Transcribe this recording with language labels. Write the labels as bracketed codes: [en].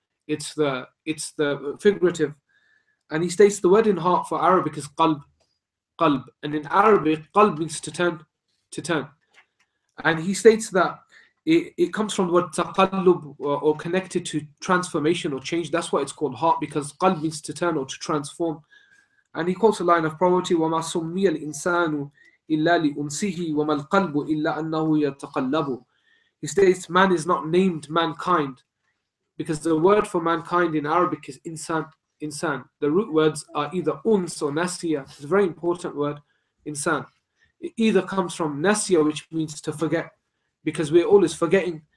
[en] It's the figurative. And he states the word in heart for Arabic is qalb, qalb. And in Arabic, qalb means to turn. And he states that it comes from the word taqallub, or connected to transformation or change. That's why it's called heart, because qalb means to turn or to transform. And he quotes a line of poetry, [ar] وَمَا سُمِّيَ الْإِنسَانُ إِلَّا لِأُنْسِهِ وَمَا الْقَلْبُ إِلَّا أَنَّهُ يَتَقَلَّبُ. [en] He states, man is not named mankind, because the word for mankind in Arabic is insan. Insan. The root words are either uns or nasiya. It's a very important word, insan. It either comes from nasiya, which means to forget, because we're always forgetting.